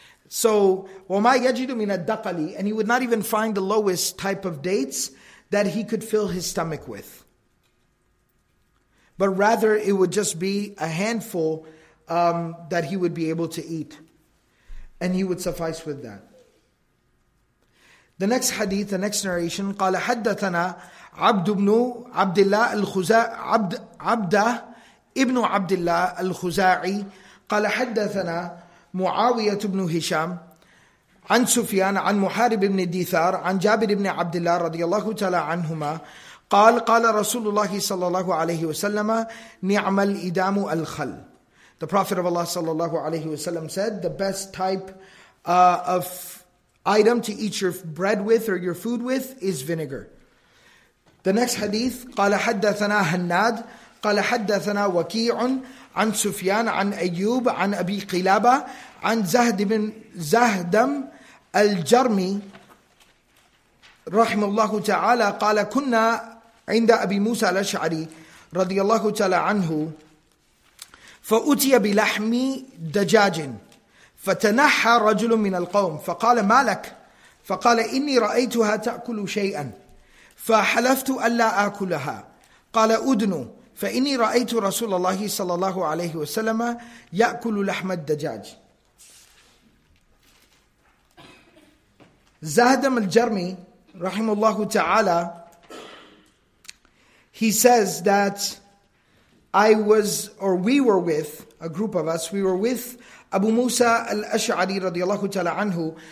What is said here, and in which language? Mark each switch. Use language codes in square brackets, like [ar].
[en] So, [ar] وَمَا يَجِدُ مِنَ الدَّقَلِ, [en] and he would not even find the lowest type of dates that he could fill his stomach with. But rather, it would just be a handful that he would be able to eat. And he would suffice with that. The next hadith, the next narration, [ar] قَالَ حَدَّثَنَا عَبْدُ بْنُ عَبْدِ اللَّهِ الْخُزَاعِ عَبْدَ إِبْنُ عَبْدِ اللَّهِ الْخُزَاعِ قَالَ حَدَّثَنَا معاوية بن هشام عن سفيان عن محارب بن الديثار عن جابر بن عبد الله رضي الله تعالى عنهما قال قال رسول الله صلى الله عليه وسلم نعم الإدام الخل. [en] The Prophet of Allah [ar] صلى الله عليه وسلم [en] said, the best type of item to eat your bread with or your food with is vinegar. The next hadith, [ar] قال حدثنا هناد قال حدثنا وكيع عن سفيان عن أيوب عن أبي قلابة عن زهد بن زهدم الجرمي رحمه الله تعالى قال كنا عند أبي موسى الأشعري رضي الله تعالى عنه فأتي بلحم دجاج فتنحى رجل من القوم فقال ما لك فقال إني رأيتها تأكل شيئا فحلفت ألا آكلها قال أدنو فَإِنِّي رَأَيْتُ رَسُولَ اللَّهِ صَلَى اللَّهُ عَلَيْهِ وَسَلَّمَ يَأْكُلُ لَحْمَ الدَّجَاجِ. [en] Zahdam al-Jarmi, rahimahullahu ta'ala, he says that we were with Abu Musa al-Ash'ari radiallahu ta'ala anhu.